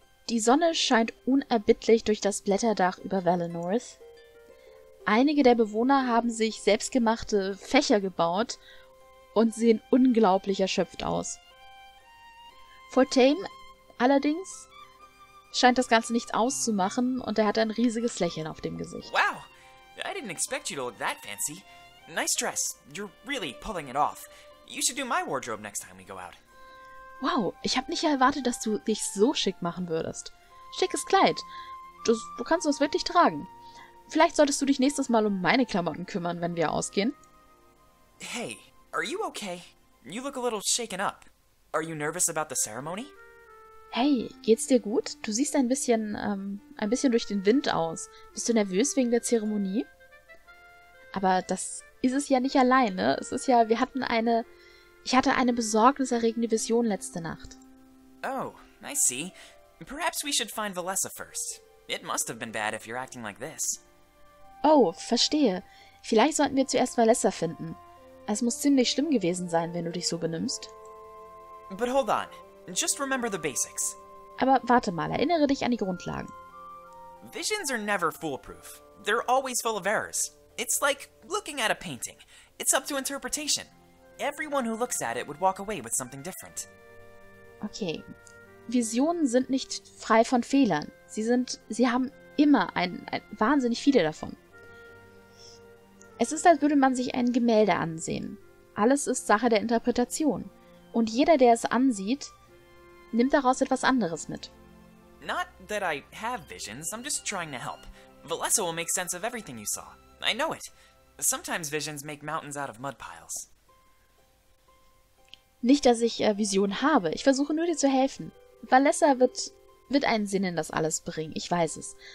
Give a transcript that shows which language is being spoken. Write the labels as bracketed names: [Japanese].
[German] Die Sonne scheint unerbittlich durch das Blätterdach über Valenorth. Einige der Bewohner haben sich selbstgemachte Fächer gebaut und sehen unglaublich erschöpft aus. Fortaim allerdings scheint das Ganze nichts auszumachen und er hat ein riesiges Lächeln auf dem Gesicht. [English] Wow, I didn't expect you to look that fancy. Nice dress, you're really pulling it off. You should do my wardrobe next time we go out. [German] Wow, ich habe nicht erwartet, dass du dich so schick machen würdest. Schickes Kleid, du kannst das wirklich tragen. Vielleicht solltest du dich nächstes Mal um meine Klamotten kümmern, wenn wir ausgehen. [English] Hey, are you okay? You look a little shaken up. Are you nervous about the ceremony? [German] Hey, geht's dir gut? Du siehst ein bisschen durch den Wind aus. Bist du nervös wegen der Zeremonie? Aber das ist es ja nicht alleine. Es ist ja, ich hatte eine besorgniserregende Vision letzte Nacht. [English] Oh, I see. Perhaps we should find Valessa first. It must have been bad if you're acting like this. [German] Oh, verstehe. Vielleicht sollten wir zuerst Valessa finden. Es muss ziemlich schlimm gewesen sein, wenn du dich so benimmst. [English] But hold on. Just remember the basics. [German] Aber warte mal, erinnere dich an die Grundlagen. [English] Visions are never foolproof. They're always full of errors. It's like looking at a painting. It's up to interpretation. Everyone who looks at it would walk away with something different. Okay. [German] Visionen sind nicht frei von Fehlern. Sie haben immer wahnsinnig viele davon. Es ist, als würde man sich ein Gemälde ansehen. Alles ist Sache der Interpretation. Und jeder, der es ansieht, nimmt daraus etwas anderes mit. [English] Not that I have visions, I'm just trying to help. Valessa will make sense of everything you saw. I know it. Sometimes visions make mountains out of mud piles. [German] Nicht, dass ich Visionen habe. Ich versuche nur, dir zu helfen. Valessa wird einen Sinn in das alles bringen. Ich weiß es.